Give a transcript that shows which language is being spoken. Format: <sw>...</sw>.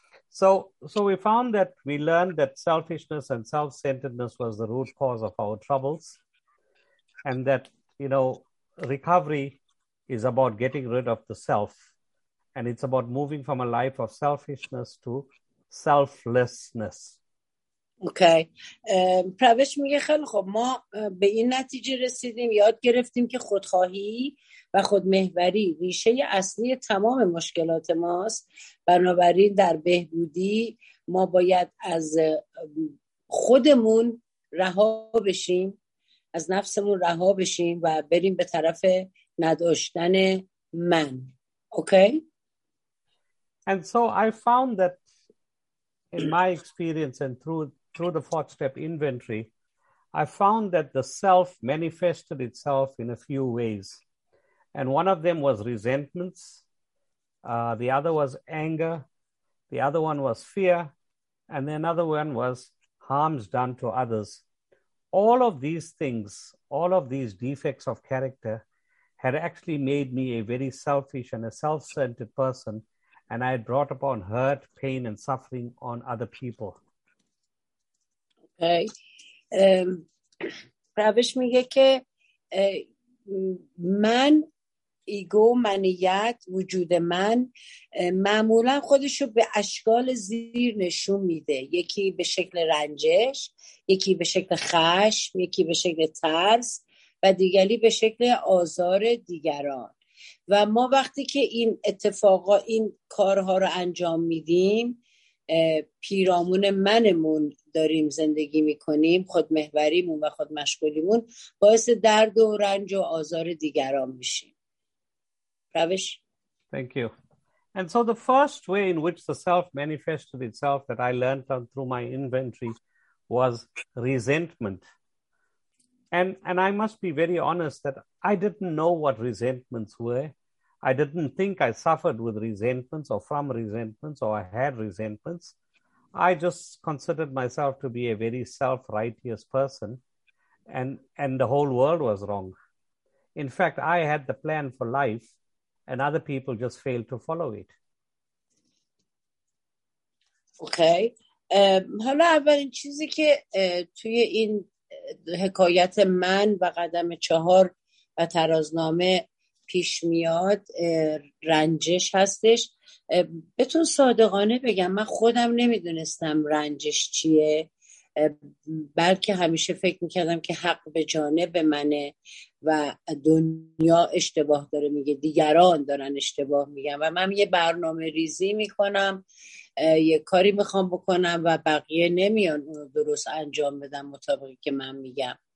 <en>So we found that we learned that selfishness and self-centeredness was the root cause of our troubles, and that, you know, recovery is about getting rid of the self. And it's about moving from a life of selfishness to selflessness. Okay.</en> <fa>Pravesh میگه خیلی خوب، ما به این نتیجه رسیدیم، یاد گرفتیم که خودخواهی و خودمحوری ریشه اصلی تمام مشکلات ماست. بنابراین در بهبودی ما باید از خودمون رها بشیم، از نفسمون رها بشیم و بریم به طرف نداشتن من.</fa> <en>Okay. And so I found that in my experience and through the fourth step inventory, I found that the self manifested itself in a few ways. And one of them was resentments. The other was anger. The other one was fear. And then another one was harms done to others. All of these things, all of these defects of character had actually made me a very selfish and a self-centered person. And I had brought upon hurt, pain, and suffering on other people. Okay.</en> <fa>Pravesh میگه که من، ایگو، منیت، وجود من معمولا خودشو به اشکال زیر نشون میده. یکی به شکل رنجش، یکی به شکل خشم، یکی به شکل ترس و دیگری به شکل آزار دیگران. و ما وقتی که این اتفاقا، این کارها رو انجام میدیم، پیرامون منمون داریم زندگی میکنیم، خودمحوریمون و خودمشغولیمون باعث درد و رنج و آزار دیگران میشیم. روش.</fa> <en>Thank you. And so the first way in which the self manifested itself that I learned on through my inventory was resentment. And I must be very honest that I didn't know what resentments were. I didn't think I suffered with resentments or from resentments or I had resentments. I just considered myself to be a very self-righteous person, and the whole world was wrong. In fact, I had the plan for life and other people just failed to follow it.</en> <fa>Okay. حالا اولین چیزی که توی این حکایت من و قدم چهار و ترازنامه پیش میاد رنجش هستش. بهتون صادقانه بگم من خودم نمیدونستم رنجش چیه، بلکه همیشه فکر میکردم که حق به جانب منه و دنیا اشتباه داره میگه، دیگران دارن اشتباه میگن و من یه برنامه ریزی میکنم، یه کاری میخوام بکنم و بقیه نمیان اونو درست انجام بدم مطابقی که من میگم.</fa>